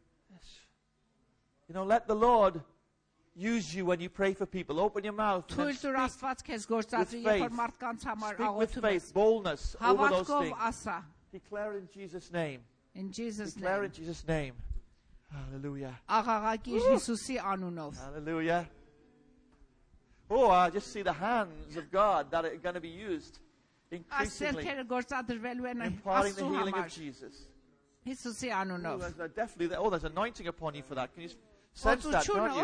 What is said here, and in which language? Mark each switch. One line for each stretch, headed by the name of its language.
English: Yes. You know, let the Lord use you when you pray for people. Open your mouth and speak with faith. Speak with faith, boldness over those things. Declare in Jesus' name. In Jesus' name. Declare in Jesus' name. Hallelujah.
Armenian: Աղաղակի Հիսուսի անունով.
English: Hallelujah. Oh, I just see the hands of God that are going to be used increasingly. Imparting the healing of Jesus.
Armenian: Հիսուսի անունով.
English: Definitely, there's anointing upon you for that. Can you sense that, don't you?